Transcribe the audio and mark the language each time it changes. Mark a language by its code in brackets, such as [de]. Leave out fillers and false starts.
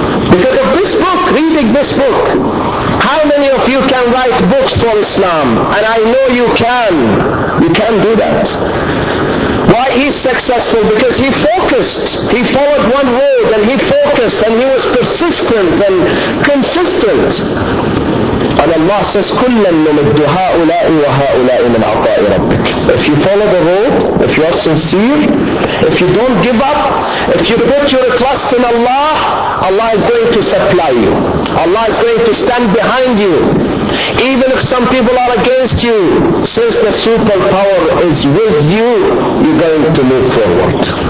[en] Because of this book, reading this book. How many of you can write books for Islam? And I know you can. You can do that. Why he's successful? Because he focused. He followed one road and he focused and he was persistent and consistent. And Allah says, [ar] كُلَّا نُمِدُّ هَؤُلَاءِ وَهَؤُلَاءِ مِنْ عَطَاءِ رَبِّكَ. [en] If you follow the road, if you are sincere, if you don't give up, if you put your trust in Allah, Allah is going to supply you. Allah is going to stand behind you. Even if some people are against you, since the superpower is with you, you're going to move forward.